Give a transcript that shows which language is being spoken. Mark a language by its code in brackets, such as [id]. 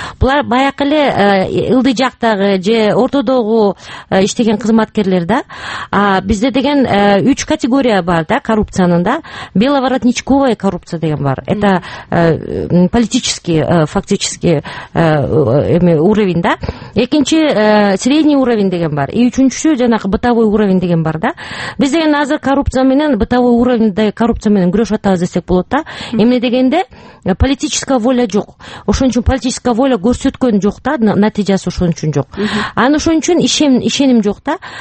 [ky] Булар баякы эле ылдый жактагы же ортодогу иштеген кызматкерлер да. Бизде деген үч категория бар да коррупциянын да. [ru] Беловоротничковая коррупция [ky] деген бар. [ru] Это политический, фактически уровень да. [ky] Экинчи средний уровень деген бар. И үчүнчүсү жанагы бытовой уровень деген бар да. Биз деген азыр коррупция менен бытовой уровеньдеги коррупция менен күрөшүп атабыз десек болот да. Эмне дегенде политическая воля жок. Ошон үчүн политическая воля көрсөткөн жок да, натыйжасы ошон үчүн жок. Аны ошон үчүн ишеним жок да.